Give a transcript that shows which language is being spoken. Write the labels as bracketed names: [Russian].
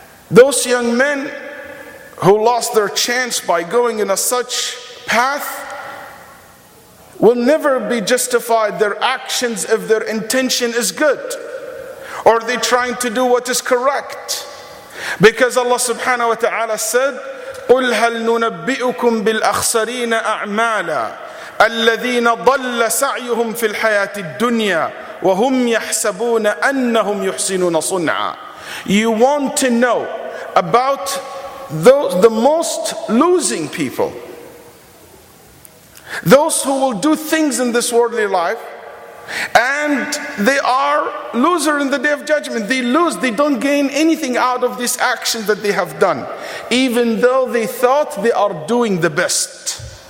[English] Those young men who lost their chance by going in a such path will never be justified their actions if their intention is good. Or they're trying to do what is correct. Because Allah subhanahu wa ta'ala said, [Arabic] قُلْ هَلْ نُنَبِّئُكُمْ بِالْأَخْسَرِينَ أَعْمَالًا الَّذِينَ ضَلَّ سَعْيُهُمْ فِي الْحَيَاةِ الدُّنْيَا وَهُمْ يَحْسَبُونَ أَنَّهُمْ يُحْسِنُونَ صُنْعًا. [English] You want to know about those, the most losing people, those who will do things in this worldly life and they are loser in the day of judgment. They lose, they don't gain anything out of this action that they have done, even though they thought they are doing the best.